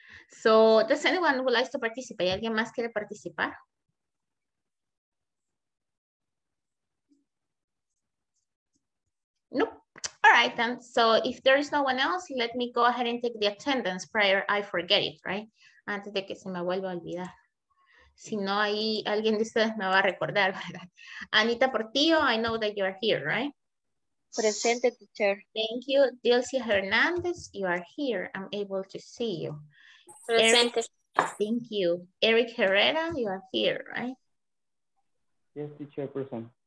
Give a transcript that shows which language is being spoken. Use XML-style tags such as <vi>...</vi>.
<en>So, does anyone who likes to participate?</en> <es>¿Alguien más quiere participar?</es> <en>Nope. All right, then. So, if there is no one else, let me go ahead and take the attendance prior I forget it, right?</en> <es>Antes de que se me vuelva a olvidar. Si no, ahí alguien de ustedes me va a recordar, ¿verdad?</es> <en>Anita Portillo, I know that you are here, right?</en> <es>Presente, teacher.</es> <en>Thank you. Dilcia Hernandez, you are here. I'm able to see you.</en> <es>Presente.</es> <en>Eric, thank you. Eric Herrera, you are here, right? Yes, teacher, present.</en>